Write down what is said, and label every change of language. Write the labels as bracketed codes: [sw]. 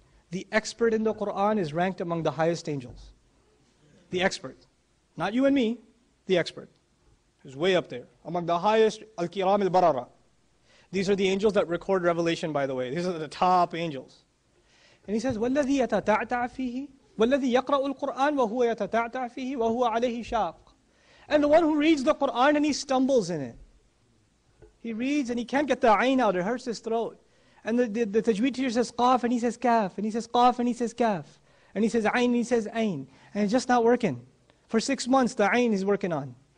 [en] The expert in the Qur'an is ranked among the highest angels. The expert. Not you and me, the expert. Who's way up there. Among the highest, [ar] al-kiram al-barara. [en] These are the angels that record revelation, by the way. These are the top angels. And he says, [ar] وَالَّذِي يَتَتَعْتَعْ فِيهِ وَالَّذِي يَقْرَأُ الْقُرْآنَ وَهُوَ يَتَتَعْتَعْ فِيهِ وَهُوَ عَلَيْهِ شَاقٌ. [en] And the one who reads the Qur'an and he stumbles in it. He reads and he can't get the ayn out, it hurts his throat. And the tajweed teacher says, qaf, and he says, kaf, and he says, qaf, and he says, kaf. And he says, ayn, and he says, ayn. And it's just not working. For 6 months, the ayn is working on.